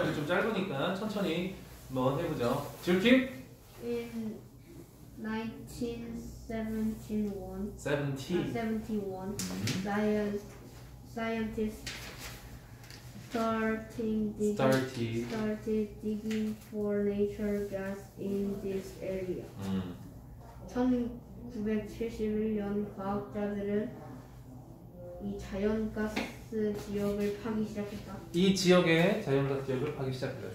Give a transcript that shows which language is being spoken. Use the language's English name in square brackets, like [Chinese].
[Korean] 여기 좀 짧으니까 천천히 한번 해보죠. 줄킴? [English] In 1971, scientists started digging for natural gas in this area. [Korean] 1971년 과학자들은 이 자연가스 지역을 파기 시작했다. 이 지역에 자연가스 지역을 파기 시작했다.